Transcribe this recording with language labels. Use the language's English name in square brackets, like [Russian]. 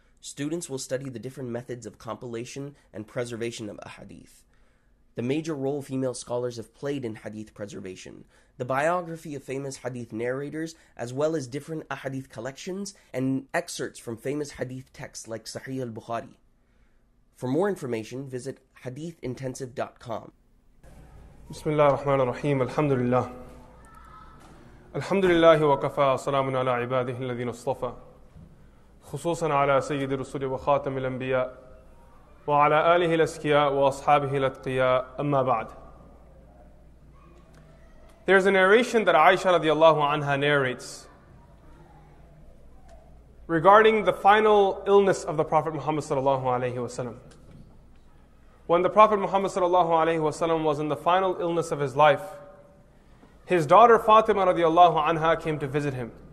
[English] Students will study the different methods of compilation and preservation of a Hadith, the major role female scholars have played in Hadith preservation, the biography of famous Hadith narrators, as well as different Ahadith collections and excerpts from famous Hadith texts like Sahih al-Bukhari. For more information, visit hadithintensive.com. [Arabic] بسم الله الرحمن الرحيم الحمد لله الحمد لله وكفى سلام على عباده الذين اصطفى خصوصا على سيد الرسل وخاتم الأنبياء وعلى آله الأسكياء وأصحابه الأتقياء أما بعد. [English] There's a narration that Aisha [Arabic] رضي الله عنها [English] narrates regarding the final illness of the Prophet Muhammad صلى الله عليه وسلم. When the Prophet Muhammad sallallahu alaihi wasallam was in the final illness of his life, his daughter Fatima radiallahu anha came to visit him.